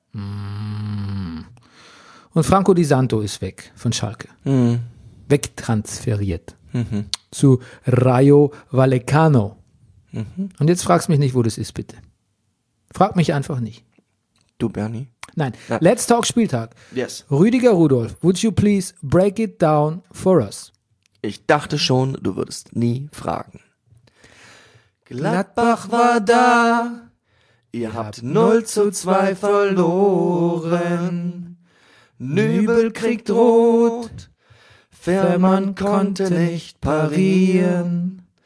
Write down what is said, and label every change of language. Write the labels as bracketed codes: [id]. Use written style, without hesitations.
[de] Und Franco Di Santo ist weg von Schalke. Mhm. Wegtransferiert. Mhm. Zu Rayo Vallecano. Mhm. Und jetzt fragst mich nicht, wo das ist, bitte. Frag mich einfach nicht. Du, Bernie? Nein. [en] Let's talk Spieltag. Yes. Rüdiger Rudolf, would you please break it down for us? [de] Ich dachte schon, du würdest nie fragen. Gladbach war da. Ihr habt 0-2 verloren. Nübel kriegt rot. Fährmann konnte nicht parieren.